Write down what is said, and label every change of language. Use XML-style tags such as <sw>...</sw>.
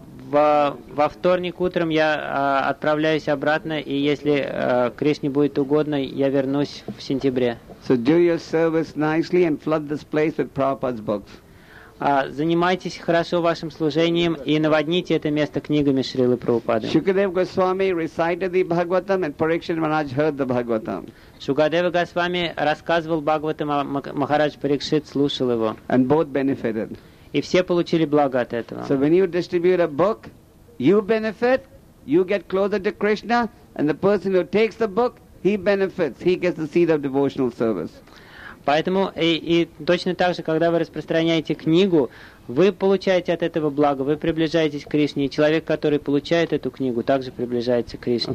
<ru>Во вторник утром я отправляюсь обратно, и если Кришне будет угодно, я вернусь в сентябре.</ru> <en>So do your service nicely and flood this place with Prabhupada's books.</en> <ru>Занимайтесь хорошо вашим служением и наводните это место книгами Шрилы Прабхупады.</ru> <en>Shukadeva Goswami recited the Bhagavatam and Parikshit Maharaj heard the Bhagavatam.</en> <ru>Shukadeva Goswami рассказывал Бхагаватам, а Махарадж Парикшит слушал его.</ru> <en>And both benefited.</en> <ru>И все получили благо от этого.</ru> <en>So when you distribute a book, you benefit, you get closer to Krishna, and the person who takes the book, he benefits, he gets the seed of devotional service.</en> <ru>Поэтому и точно так же, когда вы распространяете книгу, вы получаете от этого благо, вы приближаетесь к Кришне, и человек, который получает эту книгу, также приближается к Кришне.</ru>